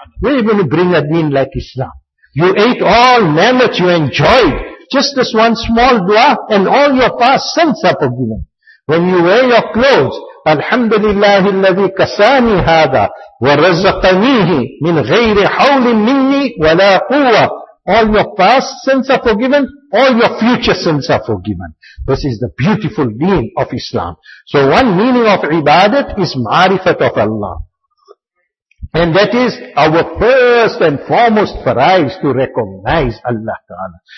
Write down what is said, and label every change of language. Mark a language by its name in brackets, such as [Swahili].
[English] Where are you going to bring a deen like Islam? You ate all mammoths, you enjoyed just this one small dua, and all your past sins are forgiven. When you wear your clothes, [Arabic] Alhamdulillah الذي كساني هذا ورزقنيه من غير حول مني ولا قوة. [English] All your past sins are forgiven, all your future sins are forgiven. This is the beautiful deen of Islam. So one meaning of ibadat is ma'rifat of Allah. And that is our first and foremost faraiz, to recognize Allah Ta'ala.